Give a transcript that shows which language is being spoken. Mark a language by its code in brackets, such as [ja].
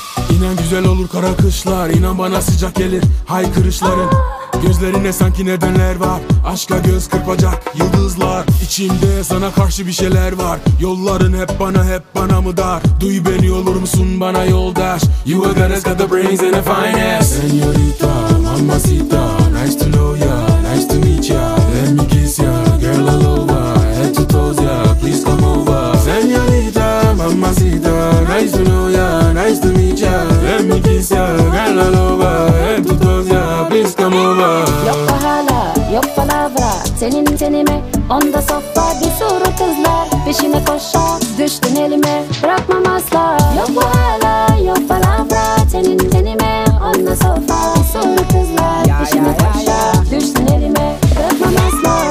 [tr] İnan güzel olur kara kışlar, inan bana sıcak gelir haykırışların. Gözlerine sanki nedenler var, aşka göz kırpacak yıldızlar. İçimde sana karşı bir şeyler var, yolların hep bana, hep bana mı dar? Duy beni, olur musun bana yoldaş? [en] You a goddess, got the brains and the finest. [es] Señorita, mamacita, [en] nice to know ya, nice to meet ya. Let me kiss ya, girl all over, head to toes ya, please come over. [es] Señorita, mamacita, [en] nice to know ya, nice to meet ya. Let me kiss ya, girl all over. [tr] Yok bahala, yok palavra, senin tenime onda sofra, bir sürü kızlar peşine koşar, düştün elime, bırakmam asla. Yok bahala, yok palavra, senin tenime onda sofra, bir sürü kızlar peşine koşar, düştün elime, bırakmam asla.